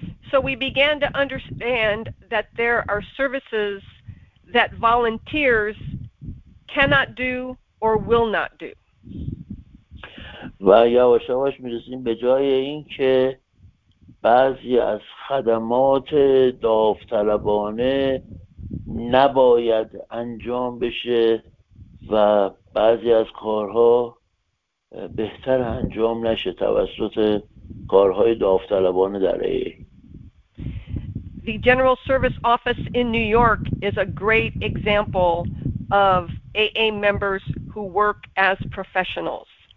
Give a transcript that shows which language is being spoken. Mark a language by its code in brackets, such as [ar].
[en] So we began to understand that there are services that volunteers cannot do or will not do. [fa] و یواش یواش می‌رسیم به جای اینکه بعضی از خدمات داوطلبانه نباید انجام بشه و بعضی از کارها بهتر انجام نشه توسط کارهای داوطلبانه در ای. [en] The General Service Office in New York is a great example of AA members who work as professionals.